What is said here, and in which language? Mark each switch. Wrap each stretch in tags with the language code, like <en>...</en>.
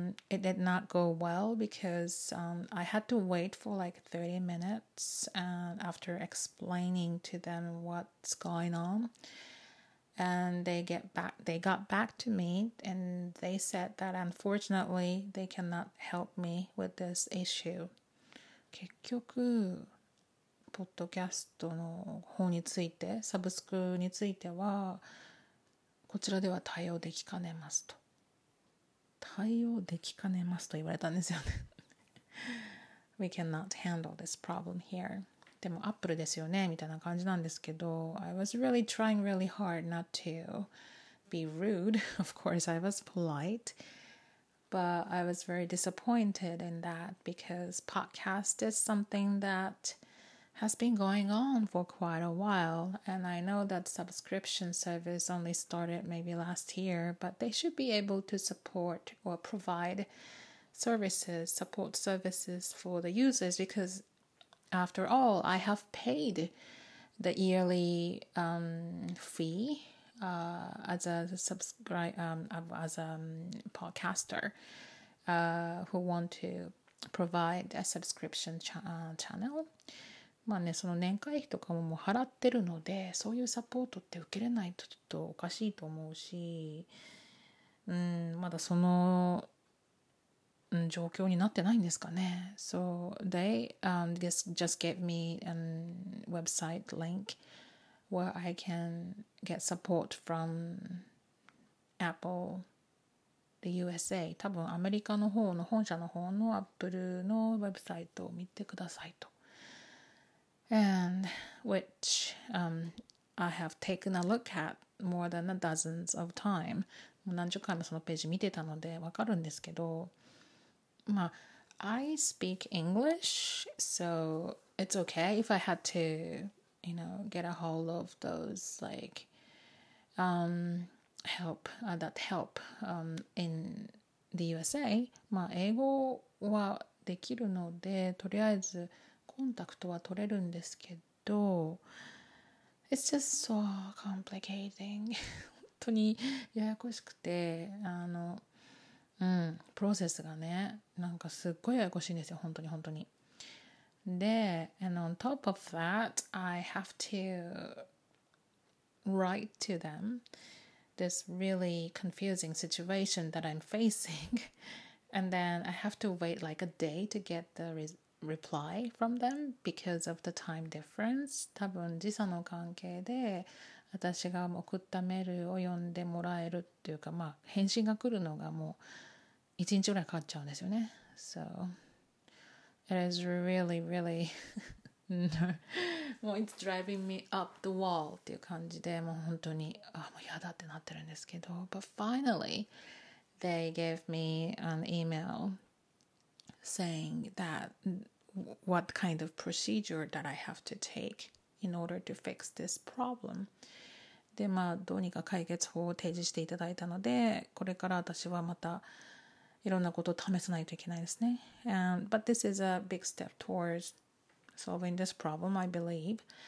<en>It did not go well because I had to wait for like 30 minutes after explaining to them what's going on. And they got back to me and they said that unfortunately they cannot help me with this issue.</en> <ja>結局、ポッドキャストの方について、サブスクについては、こちらでは対応できかねますと。対応できかねますと言われたんですよね。</ja> <en>We cannot handle this problem here.</en> <ja>でもアップルですよねみたいな感じなんですけど</ja> <en>I was really trying really hard not to be rude. Of course, I was polite. But I was very disappointed in that because podcast is something that has been going on for quite a while. And I know that subscription service only started maybe last year, but they should be able to support or provide services, support services for the users because... After all, I have paid the yearly fee as a subscribe as a podcaster who want to provide a subscription channel.</en> <ja>まあね、その年会費とかももう払ってるので、そういうサポートって受けれないとちょっとおかしいと思うし、うん、まだその、うん、状況になってないんですかね。</ja> <en>So they just gave me a website link where I can get support from Apple the USA。</en> <ja>多分アメリカの方の本社の方の Apple のウェブサイトを見てくださいと。</ja> <en>And which I have taken a look at more than a dozens of time.</en> <ja>何十回もそのページ見てたので分かるんですけど、</ja> <en>まあ、I speak English, so it's okay if I had to, you know, get a hold of those like help that help in the USA.</en> <ja>まあ英語はできるので、とりあえずコンタクトは取れるんですけど、</ja> <en>It's just so complicating.</en> <ja>本当にややこしくて、あの、うん、プロセスがね、なんかすっごいややこしいんですよ、本当に本当に。</ja> <en>で、 And on top of that, I have to write to them this really confusing situation that I'm facing. And then I have to wait like a day to get the reply from them because of the time difference.</en> <ja>多分時差の関係で私が送ったメールを読んでもらえるっていうか、まあ返信が来るのがもう1日ぐらいかかっちゃうんですよね。</ja> <en>So it is really really もう it's driving me up the wall</en> <ja>っていう感じで、もう本当にあ、もう嫌だってなってるんですけど、</ja> <en>But finally they gave me an emailsaying that what kind of procedure that I have to take in order to fix this problem.</en> <ja>で、まあどうにか解決法を提示していただいたので、これから私はまたいろんなことを試さないといけないですね。</ja> <en>But this is a big step towards solving this problem, I believe.</en>